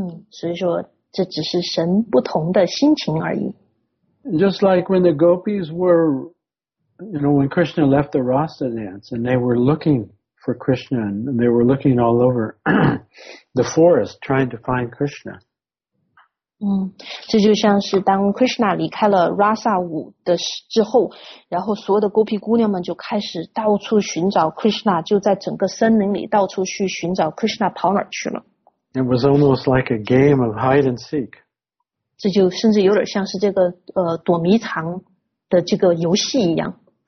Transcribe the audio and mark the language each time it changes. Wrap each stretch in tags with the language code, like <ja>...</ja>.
<zh>所以说这只是神不同的心情而已。</zh> <en>Just like when the gopis were, you know, when Krishna left the Rasa dance and they were looking for Krishna and they were looking all over the forest trying to find Krishna.</en> <zh>这就像是当 Krishna 离开了 Rasa 舞的之后，然后所有的 gopi 姑娘们就开始到处寻找 Krishna， 就在整个森林里到处去寻找 Krishna 跑哪去了。</zh> <en>It was almost like a game of hide and seek.</en> <zh>这就甚至有点像是这个躲迷藏的这个游戏一样。</zh>